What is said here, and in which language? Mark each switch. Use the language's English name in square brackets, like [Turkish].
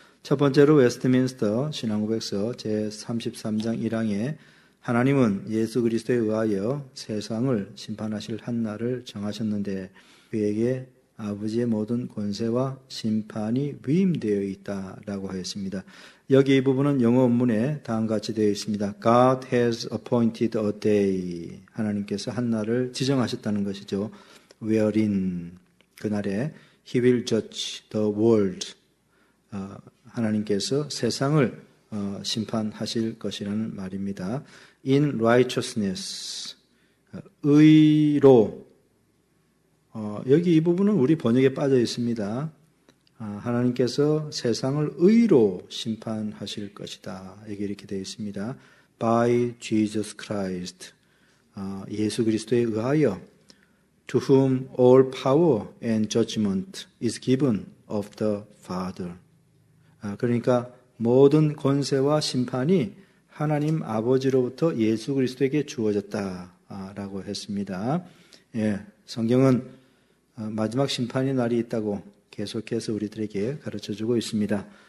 [Korean] 첫 번째로 웨스트민스터 신앙고백서 제33장 1항에 하나님은 예수 그리스도에 의하여 세상을 심판하실 한 날을 정하셨는데 그에게 아버지의 모든 권세와 심판이 위임되어 있다라고 하였습니다. 여기 이 부분은 영어 원문에 다음과 같이 되어 있습니다. [English] God has appointed a day. [Korean] 하나님께서 한 날을 지정하셨다는 것이죠. [English] Wherein [Korean] 그날에 [English] He will judge the world. [Korean] 하나님께서 세상을 심판하실 것이라는 말입니다. [English] In righteousness, [Korean] 의로, 여기 이 부분은 우리 번역에 빠져 있습니다. 하나님께서 세상을 의로 심판하실 것이다. 여기 이렇게 되어 있습니다. [English] By Jesus Christ, [Korean] 예수 그리스도에 의하여 [English] to whom all power and judgment is given of the Father. [Korean] 그러니까 모든 권세와 심판이 하나님 아버지로부터 예수 그리스도에게 주어졌다라고 했습니다. 예, 성경은 마지막 심판의 날이 있다고 계속해서 우리들에게 가르쳐주고 있습니다.